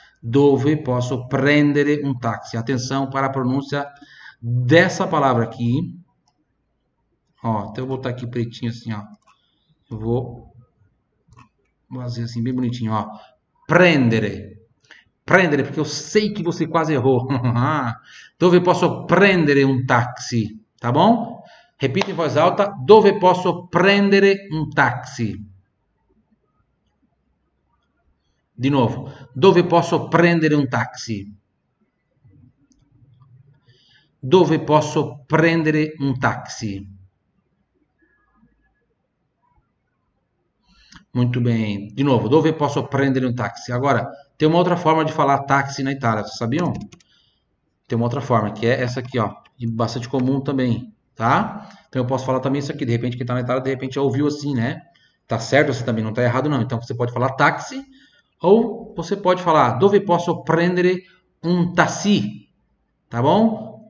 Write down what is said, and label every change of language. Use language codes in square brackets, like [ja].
[it] Dove posso prendere um táxi? [pt] Atenção para a pronúncia dessa palavra aqui. Ó, até eu botar aqui pretinho assim, ó. Eu vou fazer assim, bem bonitinho, ó. Prendere. Prendere, porque eu sei que você quase errou. [it] Dove posso prendere un taxi? [pt] Tá bom? Repita em voz alta. [it] Dove posso prendere un taxi? Di nuovo. Dove posso prendere un taxi? Dove posso prendere un taxi? [pt] Muito bem. De novo, [it] dove posso prendere un taxi? [pt] Agora, tem uma outra forma de falar táxi na Itália, vocês sabiam? Tem uma outra forma, que é essa aqui, ó. E bastante comum também, tá? Então eu posso falar também isso aqui. De repente, quem tá na Itália, de repente já ouviu assim, né? Tá certo, você também não tá errado, não. Então você pode falar táxi, ou você pode falar [it] dove posso prendere un taxi? [pt] Tá bom?